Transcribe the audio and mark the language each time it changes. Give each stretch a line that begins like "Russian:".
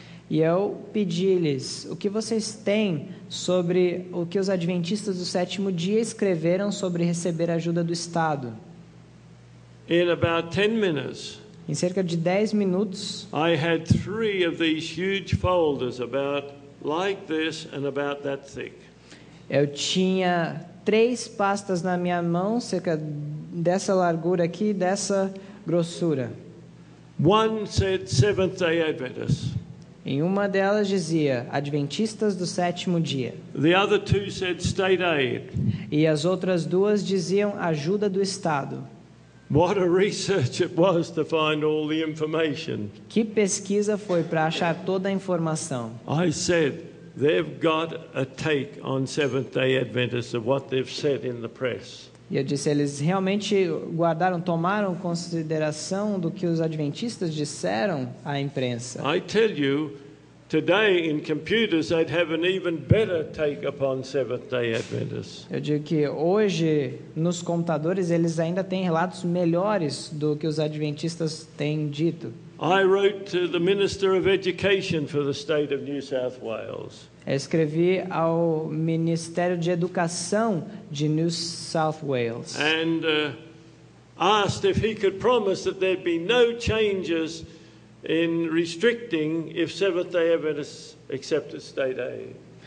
Portuguese: E eu pedi-lhes, o que vocês têm sobre o que os adventistas do sétimo dia escreveram sobre receber ajuda do Estado?
English: In about 10 minutes,
Portuguese: em cerca de 10 minutos,
English: I had 3 of these huge folders about like this and about that thick.
Portuguese: Eu tinha 3 pastas na minha mão, cerca dessa largura aqui, dessa grossura.
English: One said Seventh-day Adventists.
Portuguese: Em uma delas dizia, Adventistas do Sétimo Dia.
English: The other two said state aid.
Portuguese: E as outras duas diziam, ajuda do Estado.
English: What a research it was to find all the information.
Portuguese: Que pesquisa foi para achar toda a informação.
English: I said, they've got a take on Seventh-day Adventists of what they've said in the press.
Portuguese: E eu disse, eles realmente guardaram, tomaram consideração do que os adventistas disseram à imprensa.
English: I tell you, today in computers they'd have an even better take upon Seventh-day Adventists.
Portuguese: Eu digo que hoje nos computadores eles ainda têm relatos melhores do que os adventistas têm dito.
English: I wrote to the Minister of Education for the state of New South Wales.
Portuguese: Eu escrevi ao Ministério de Educação de New South Wales.
English: And asked if he could promise that there'd be no changes in restricting if Seventh-day Adventists accepted state aid.